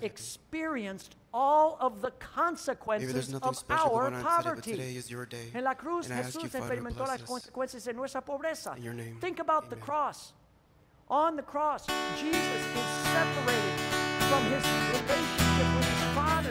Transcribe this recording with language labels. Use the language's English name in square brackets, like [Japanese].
[English] experienced all of the consequences of our poverty. Today [Spanish] en la cruz, Jesús experimentó las consecuencias de nuestra pobreza. [English] In your name. Think about Amen. The cross. On the cross, Jesus is separated from his relationship with his Father.